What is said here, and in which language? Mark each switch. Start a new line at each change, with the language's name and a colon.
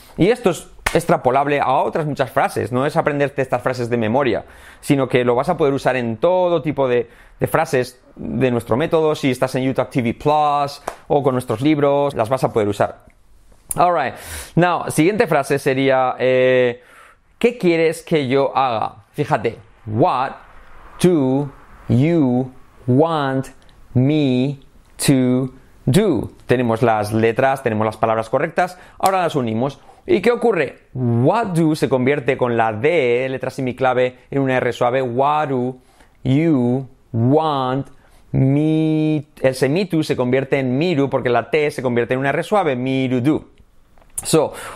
Spanish: Y esto es extrapolable a otras muchas frases. No es aprenderte estas frases de memoria, sino que lo vas a poder usar en todo tipo de frases de nuestro método. Si estás en YouTube TV Plus o con nuestros libros, las vas a poder usar.
English: Alright, now,
Spanish: siguiente frase sería, ¿qué quieres que yo haga?
English: Fíjate, what do you want me to do?
Spanish: Tenemos las letras, tenemos las palabras correctas, ahora las unimos. ¿Y qué ocurre?
English: What do
Spanish: se convierte con la D, letra semiclave, en una R suave.
English: What do you want me,
Spanish: el semitu se convierte en miru porque la T se convierte en una R suave, miru do. So,